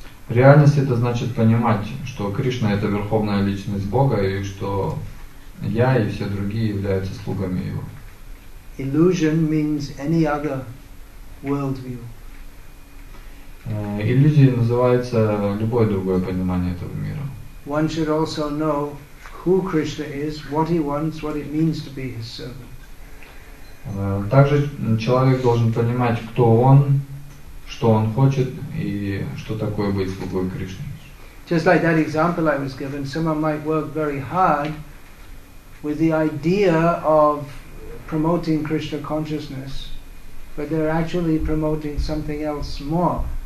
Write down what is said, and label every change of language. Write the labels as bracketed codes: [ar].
[ru] Реальность это значит понимать, что Кришна это верховная личность Бога и что я и все другие являются слугами его. [en] Illusion means any other worldview. [ru] Иллюзией называется любое другое понимание этого мира. [en] One should also know who Krishna is, what he wants, what it means to be his servant. [ru] Также человек должен понимать, кто он, что он хочет и что такое быть слугой Кришны. [en] Just like that example I was given, someone might work very hard with the idea of promoting Krishna consciousness, but they're actually promoting something else more.